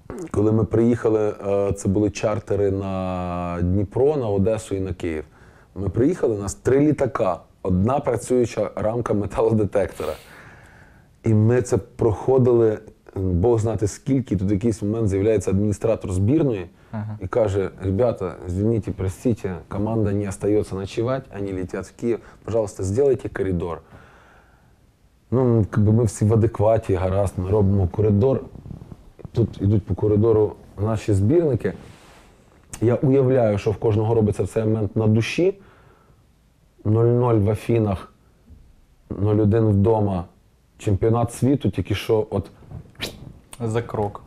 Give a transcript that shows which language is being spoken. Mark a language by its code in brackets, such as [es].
[uk] Коли ми приїхали, це були чартери на Дніпро, на Одесу і на Київ. Ми приїхали, у нас три літака, одна працююча рамка металодетектора. І ми це проходили, Бог знати скільки, тут якийсь момент з'являється адміністратор збірної. Ага. [ru] І каже: «Ребята, извините, простите, команда не остается ночевать, они летят в Киев. Пожалуйста, сделайте коридор». Ну, как бы мы все в адеквате, [uk] гаразд, мы робимо коридор. Тут йдуть по коридору наші збірники. Я уявляю, що в кожного робиться в цей момент на душі. 0-0 в Афінах, 0-1 вдома. Чемпіонат світу тільки що от... За крок.